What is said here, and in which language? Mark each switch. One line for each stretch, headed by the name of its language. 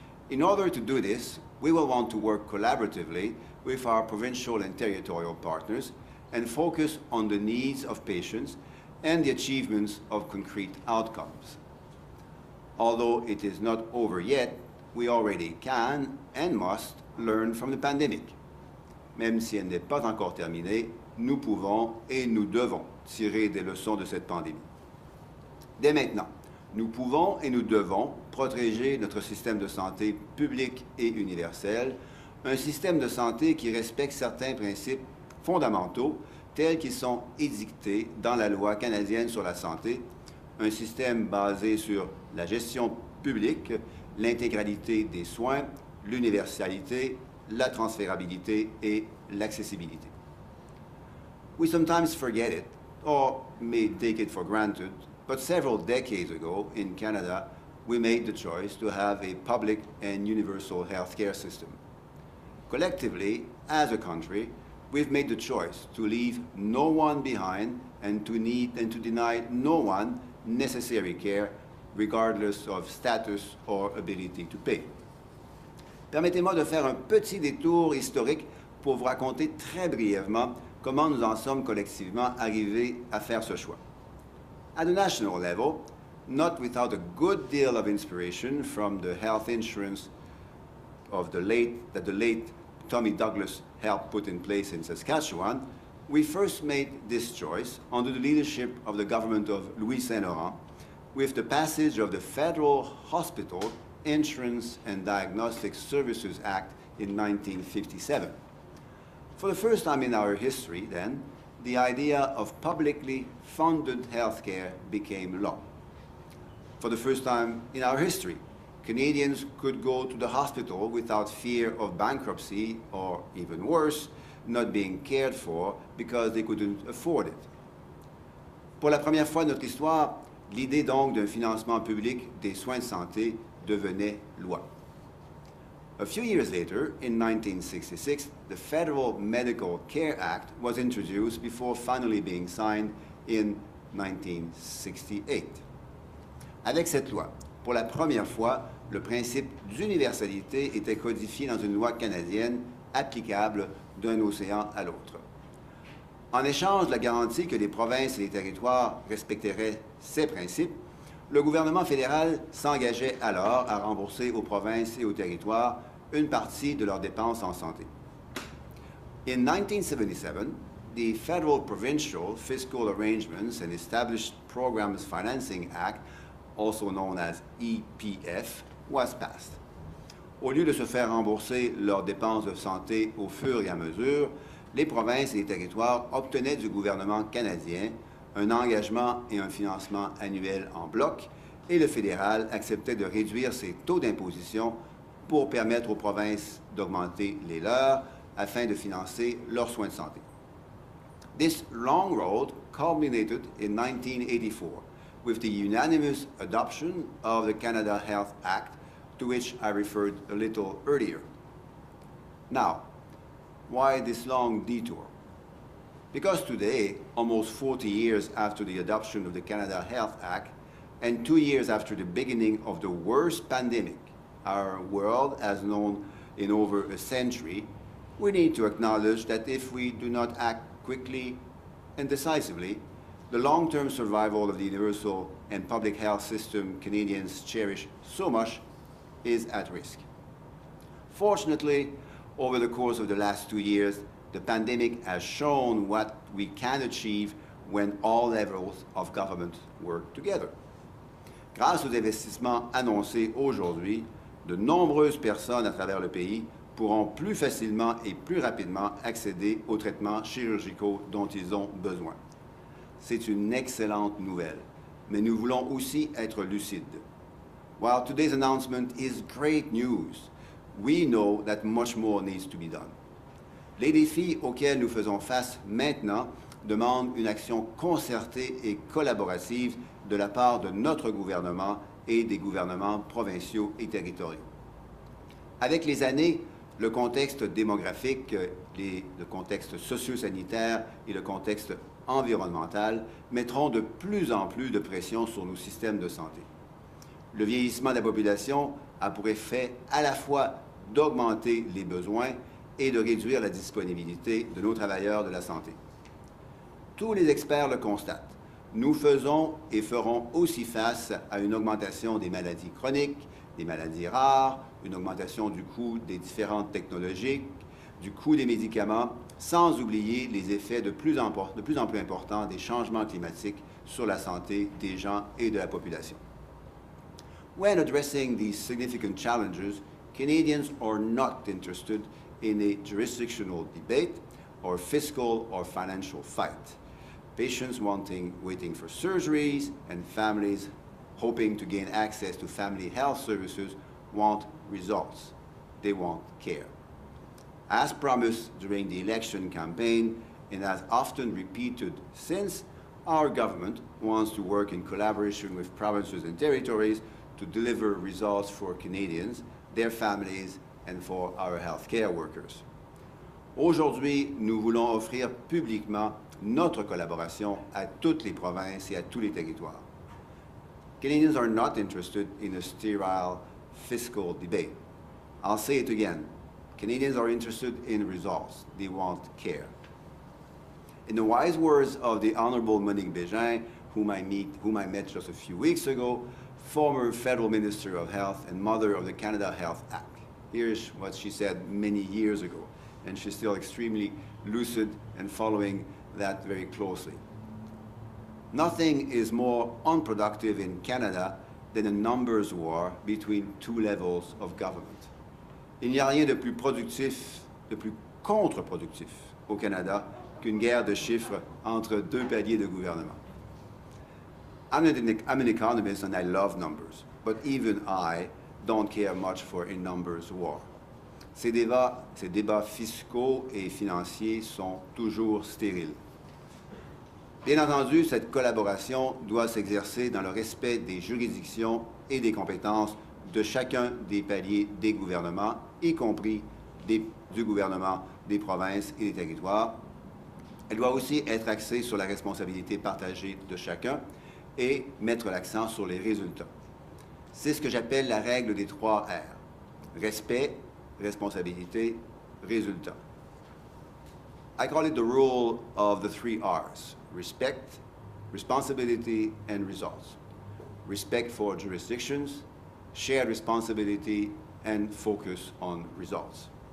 English: In order to do this, we will want to work collaboratively with our provincial and territorial partners and focus on the needs of patients and the achievements of concrete outcomes. Although it is not over yet, we already can and must learn from the pandemic.
French: Même si elle n'est pas encore terminée, nous pouvons et nous devons tirer des leçons de cette pandémie. Dès maintenant, nous pouvons et nous devons protéger notre système de santé public et universel, un système de santé qui respecte certains principes fondamentaux tels qu'ils sont édictés dans la loi canadienne sur la santé, un système basé sur la gestion publique, l'intégralité des soins, l'universalité, la transférabilité et l'accessibilité.
English: We sometimes forget it, or may take it for granted, but several decades ago in Canada, we made the choice to have a public and universal healthcare system. Collectively, as a country, we've made the choice to leave no one behind and to deny no one necessary care, regardless of status or ability to pay.
French: Permettez-moi de faire un petit détour historique pour vous raconter très brièvement comment nous en sommes collectivement arrivés à faire ce choix.
English: At the national level, not without a good deal of inspiration from the health insurance that the late Tommy Douglas helped put in place in Saskatchewan, we first made this choice under the leadership of the government of Louis Saint-Laurent with the passage of the Federal Hospital Insurance and Diagnostic Services Act in 1957. For the first time in our history, then, the idea of publicly funded healthcare became law. For the first time in our history, Canadians could go to the hospital without fear of bankruptcy or, even worse, not being cared for because they couldn't afford it.
French: Pour la première fois de notre histoire, l'idée donc d'un financement public des soins de santé devenait loi.
English: A few years later, in 1966, the Federal Medical Care Act was introduced before finally being signed in 1968.
French: Avec cette loi, pour la première fois, le principe d'universalité était codifié dans une loi canadienne applicable d'un océan à l'autre. En échange de la garantie que les provinces et les territoires respecteraient ces principes, le gouvernement fédéral s'engageait alors à rembourser aux provinces et aux territoires une partie de leurs dépenses en santé.
English: In 1977, the Federal Provincial Fiscal Arrangements and Established Programs Financing Act, also known as EPF, was passed.
French: Au lieu de se faire rembourser leurs dépenses de santé au fur et à mesure, les provinces et les territoires obtenaient du gouvernement canadien un engagement et un financement annuel en bloc, et le fédéral acceptait de réduire ses taux d'imposition pour permettre aux provinces d'augmenter les leurs afin de financer leurs soins de santé.
English: This long road culminated in 1984 with the unanimous adoption of the Canada Health Act, to which I referred a little earlier. Now, why this long detour? Because today, almost 40 years after the adoption of the Canada Health Act, and 2 years after the beginning of the worst pandemic our world has known in over a century, we need to acknowledge that if we do not act quickly and decisively, the long-term survival of the universal and public health system Canadians cherish so much is at risk. Fortunately, over the course of the last 2 years, the pandemic has shown what we can achieve when all levels of government work together.
French: Grâce aux investissements annoncés aujourd'hui, de nombreuses personnes à travers le pays pourront plus facilement et plus rapidement accéder aux traitements chirurgicaux dont ils ont besoin. C'est une excellente nouvelle, mais nous voulons aussi être lucides.
English: While today's announcement is great news, we know that much more needs to be done.
French: Les défis auxquels nous faisons face maintenant demandent une action concertée et collaborative de la part de notre gouvernement et des gouvernements provinciaux et territoriaux. Avec les années, le contexte démographique, le contexte socio-sanitaire et le contexte environnemental mettront de plus en plus de pression sur nos systèmes de santé. Le vieillissement de la population a pour effet à la fois d'augmenter les besoins et de réduire la disponibilité de nos travailleurs de la santé. Tous les experts le constatent. Nous faisons et ferons aussi face à une augmentation des maladies chroniques, des maladies rares, une augmentation du coût des différentes technologies, du coût des médicaments, sans oublier les effets de plus en plus importants des changements climatiques sur la santé des gens et de la population.
English: When addressing these significant challenges, Canadians are not interested in a jurisdictional debate or fiscal or financial fight. Patients waiting for surgeries and families hoping to gain access to family health services want results. They want care. As promised during the election campaign and as often repeated since, our government wants to work in collaboration with provinces and territories to deliver results for Canadians, their families, and for our healthcare workers.
French: Aujourd'hui, nous voulons offrir publiquement notre collaboration à toutes les provinces et à tous les territoires.
English: Canadians are not interested in a sterile fiscal debate. I'll say it again. Canadians are interested in results. They want care. In the wise words of the Honorable Monique Bégin, whom I met just a few weeks ago, former Federal Minister of Health and mother of the Canada Health Act. Here's what she said many years ago, and she's still extremely lucid and following that very closely. Nothing is more unproductive in Canada than a numbers war between two levels of government.
French: Il n'y a rien de plus productif, de plus contre-productif au Canada qu'une guerre de chiffres entre deux paliers de gouvernement.
English: I'm an economist and I love numbers, but even I don't care much for a numbers war.
French: Ces débats fiscaux et financiers sont toujours stériles. Bien entendu, cette collaboration doit s'exercer dans le respect des juridictions et des compétences de chacun des paliers des gouvernements, y compris du gouvernement des provinces et des territoires. Elle doit aussi être axée sur la responsabilité partagée de chacun et mettre l'accent sur les résultats. C'est ce que j'appelle la règle des trois R. Respect, responsabilité, résultat.
English: I call it the rule of the three R's. Respect, responsibility, and results. Respect for jurisdictions, shared responsibility, and focus on results.